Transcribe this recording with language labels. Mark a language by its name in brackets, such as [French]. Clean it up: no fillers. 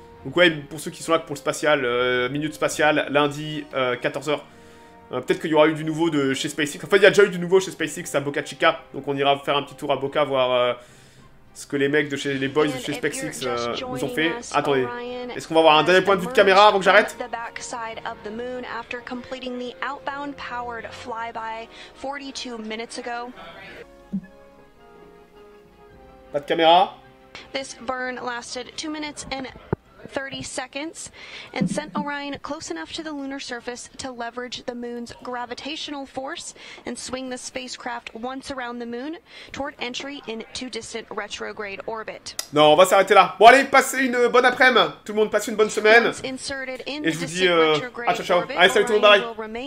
[French] Donc ouais, pour ceux qui sont là pour le spatial, minute spatiale, lundi, 14h. Peut-être qu'il y aura eu du nouveau de chez SpaceX. Enfin, il y a déjà eu du nouveau chez SpaceX à Boca Chica. Donc, on ira faire un petit tour à Boca, voir ce que les mecs de chez les boys de chez SpaceX nous ont fait. Attendez. Est-ce qu'on va avoir un dernier point de vue de caméra avant que j'arrête? [English] The backside of the moon after completing the outbound powered flyby 42 minutes ago. [French] Pas de caméra. [English] This burn lasted 2 minutes and 30 seconds and sent Orion close enough to the lunar surface to leverage the moon's gravitational force and swing the spacecraft once around the moon toward entry into distant retrograde orbit. [French] Non, on va s'arrêter là. Bon allez, passez une bonne après-midi. Tout le monde passe une bonne semaine. Et je vous dis à ciao ciao. Allez, salut tout le monde, bye.